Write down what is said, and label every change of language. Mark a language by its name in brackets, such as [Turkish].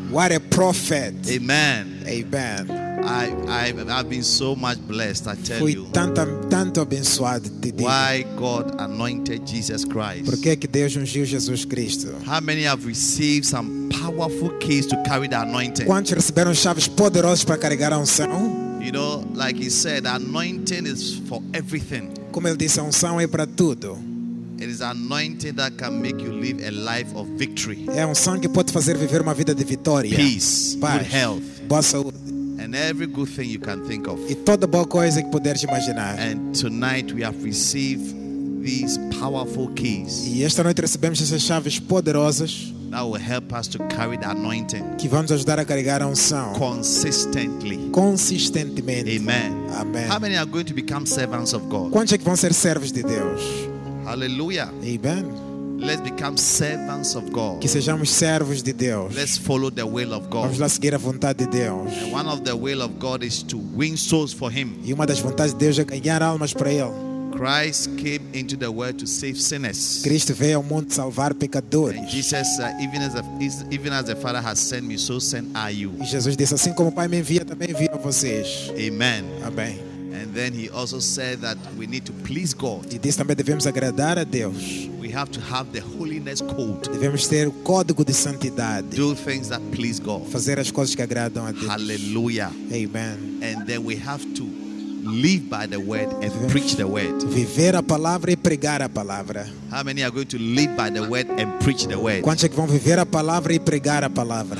[English] What a prophet. Amen. Amen. I've been so much blessed, I tell [Portuguese] Fui [English] you. [Portuguese] Tanto abençoado de Deus. [English] Why God anointed Jesus Christ. [Portuguese] Por que Deus ungiu Jesus Cristo? [English] How many have received some powerful keys to carry the anointing? [Portuguese] Quantos receberam chaves poderosas para carregar a unção? [English] You know, like he said, anointing is for everything. [Portuguese] Como ele disse, a unção é para tudo. [English] It is anointing that can make you live a life of victory. [Portuguese] É a unção que pode fazer viver uma vida de vitória. [English] Peace, paz, good health, [Portuguese] boa saúde. [English] And every good thing you can think of. [Portuguese] E toda boa coisa que puderes imaginar. [English] And tonight we have received these powerful keys. [Portuguese] E esta noite recebemos essas chaves poderosas. [English] That will help us to carry the anointing. [Portuguese] Que vamos ajudar a carregar a unção. [English] Consistently. [Portuguese] Consistentemente. [English] Amen. Amen. How many are going to become servants of God? [Portuguese] Quantos é que vão ser servos de Deus? [English] Hallelujah. Amen. Let's become servants of God. [Portuguese] Que sejamos servos de Deus. [English] Let's follow the will of God. [Portuguese] Vamos lá seguir a vontade de Deus. [English] And one of the will of God is to win souls for Him. [Portuguese] E uma das vontades de Deus é ganhar almas para Ele. [English] Christ came into the world to save sinners. [Portuguese] Cristo veio ao mundo salvar pecadores. [English] And Jesus, even as the Father has sent me, so sent I you. [Portuguese] E Jesus disse, assim como o Pai me envia, também envio a vocês. [English] Amen. [Portuguese] Amém. [English] And then he also said that we need to please God. [Portuguese] E disse também, devemos agradar a Deus. [English] We have to have the holiness code. [Portuguese] Devemos ter o código de santidade. [English] Do things that please God. [Portuguese] Fazer as coisas que agradam a Deus. [English] Hallelujah. Amen. And then we have to live by the word and preach the word. [Portuguese] Viver a palavra e pregar a palavra. [English] How many are going to live by the word and preach the word? [Portuguese] Quantos é que vão viver a palavra e pregar a palavra?